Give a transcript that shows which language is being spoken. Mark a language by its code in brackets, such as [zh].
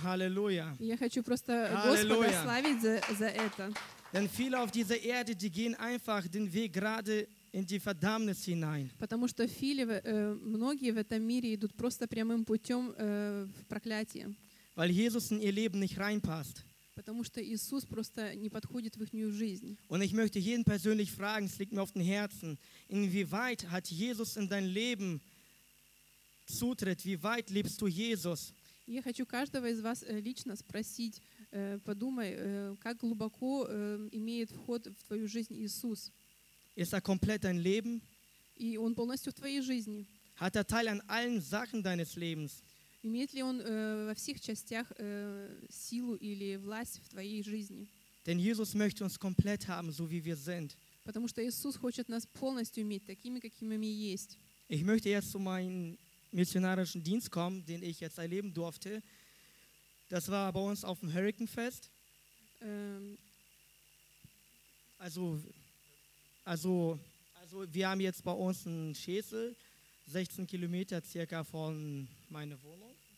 [de] Halleluja. [ru] Я хочу просто Господа славить за это. [de] Denn viele auf dieser Erde, die gehen einfach den Weg gerade in die Verdammnis hinein. [ru] Потому что [de] viele, [ru] многие в этом мире идут просто прямым путем в проклятие. [de] Weil Jesus in ihr Leben nicht reinpasst. [ru] Потому что Иисус просто не подходит в их нью жизнь. [de] Und ich möchte jeden persönlich fragen, es liegt mir auf dem Herzen, inwieweit hat Jesus in dein Leben Zutritt? Wie weit lebst du Jesus? [ru] Я хочу каждого из вас лично спросить, подумай, как глубоко имеет вход в твою жизнь Иисус. [de] Ist er komplett dein Leben? [ru] И он полностью в твоей жизни. [de] Hat er Teil an allen Sachen deines Lebens? [ru] Имеет ли он во всех частях силу или власть в твоей жизни? [de] Denn Jesus möchte uns komplett haben, so wie wir sind. [ru] Потому что Иисус хочет нас полностью иметь такими, какими мы есть. [de] Ich möchte jetzt zu meinem missionarischen Dienst kommen, den ich jetzt erleben durfte. Das war bei uns auf dem Hurricane Fest. Also wir haben jetzt bei uns einen Schäsel, 16 Kilometer circa von meiner Wohnung.